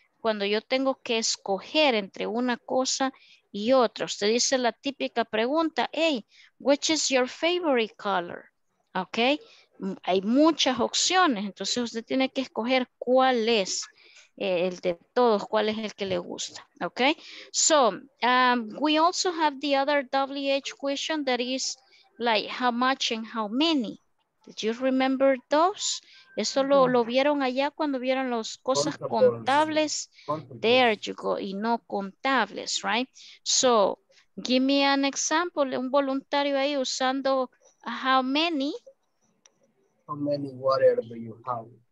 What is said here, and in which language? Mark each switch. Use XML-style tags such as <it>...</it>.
<es>Cuando yo tengo que escoger entre una cosa y otra. Usted dice la típica pregunta,</es> <en>hey, which is your favorite color?</en> <es>Okay, hay muchas opciones, entonces usted tiene que escoger cuál es. El de todos, cuál es el que le gusta, okay?</es> <en>So, we also have the other WH question that is like how much and how many. Did you remember those?</en> <es>Eso lo vieron allá cuando vieron las cosas contables.</es> <en>There you go,</en> <es>y no contables,</es> <en>right? So, give me an example,</en> <es>un voluntario ahí usando</es> <en>how many. How many water do you have?</en>